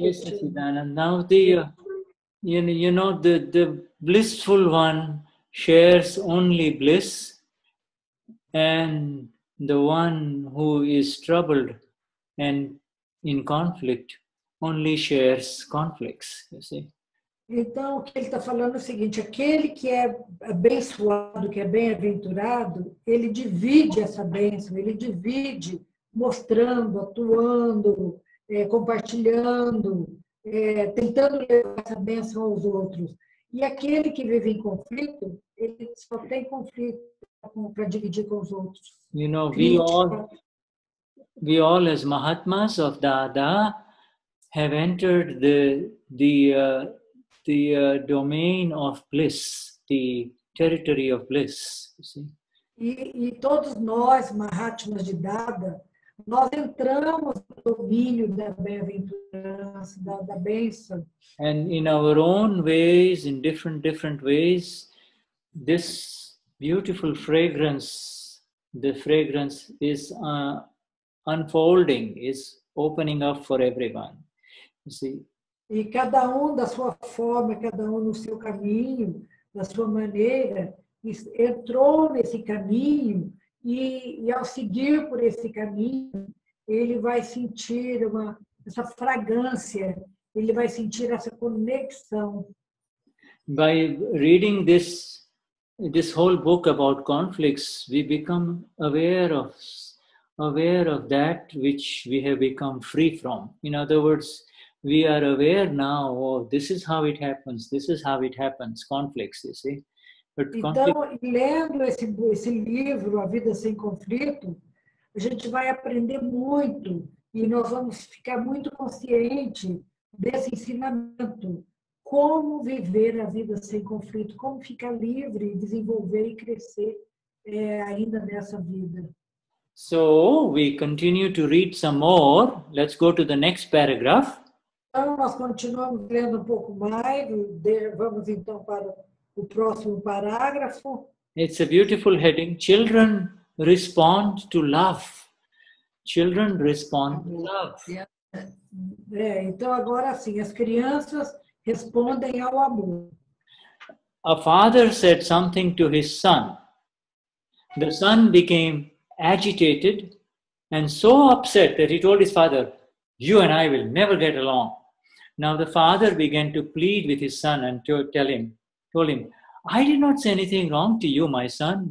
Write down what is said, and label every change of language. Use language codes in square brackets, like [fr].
[en] Now, you know, the blissful one shares only bliss, and the one who is troubled and in conflict only shares conflicts, you see. [pt] Então, o que ele está falando é o seguinte, aquele que é abençoado, que é bem-aventurado, ele divide essa bênção, ele divide mostrando, atuando, compartilhando, tentando levar essa bênção aos outros. E aquele que vive em conflito, ele só tem conflito para dividir com os outros. [en] You know, we all as Mahatmas of Dada have entered the domain of bliss, the territory of bliss, you see. [pt] E todos nós, Mahatmas de Dada, nós entramos no domínio da bem-aventurança, da bênção. [en] And in our own ways, in different ways, this beautiful fragrance, the fragrance is unfolding, is opening up for everyone. You see? [pt] E cada da sua forma, cada no seu caminho, da sua maneira, entrou nesse caminho. E ao seguir por esse caminho, ele vai sentir essa fragrância, ele vai sentir essa conexão. [en] By reading this whole book about conflicts, we become aware of that which we have become free from. In other words, we are aware now of this is how it happens, conflicts, you see. [pt] Então, lendo esse livro, A Vida Sem Conflito, a gente vai aprender muito e nós vamos ficar muito consciente desse ensinamento. Como viver a vida sem conflito, como ficar livre, desenvolver e crescer ainda nessa vida. [en] So, we continue to read some more. Let's go to the next paragraph. [pt] Então, nós continuamos lendo um pouco mais. Vamos então para o próximo parágrafo. [en] It's a beautiful heading. Children respond to love. Children respond to love. [pt] Então agora sim, as crianças respondem ao amor. [en] A father said something to his son. The son became agitated and so upset that he told his father, "You and I will never get along." Now the father began to plead with his son and to told him, "I did not say anything wrong to you, my son.